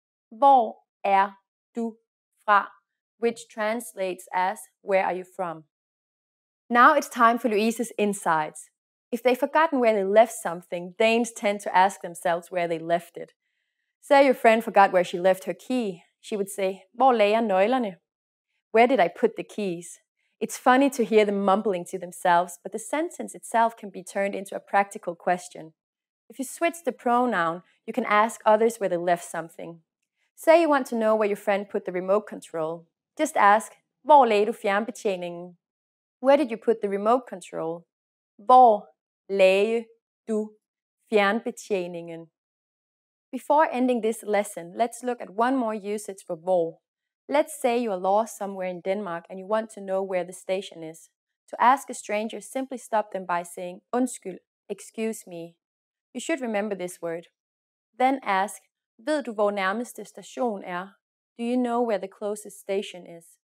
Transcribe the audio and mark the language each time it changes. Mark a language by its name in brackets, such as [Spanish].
[English] Hvor er du fra? Which translates as where are you from? Now it's time for Louise's insights. If they've forgotten where they left something, Danes tend to ask themselves where they left it. Say your friend forgot where she left her key. She would say, Hvor lægger nøglerne? Where did I put the keys? It's funny to hear them mumbling to themselves, but the sentence itself can be turned into a practical question. If you switch the pronoun, you can ask others where they left something. Say you want to know where your friend put the remote control. Just ask, Hvor lægger du fjernbetjeningen? Where did you put the remote control? [Danish] Hvor lægger du fjernbetjeningen? [English] Before ending this lesson, let's look at one more usage for hvor. Let's say you are lost somewhere in Denmark and you want to know where the station is. To ask a stranger, simply stop them by saying, Undskyld, excuse me. You should remember this word. Then ask, Ved du, hvor nærmeste station er? Do you know where the closest station is?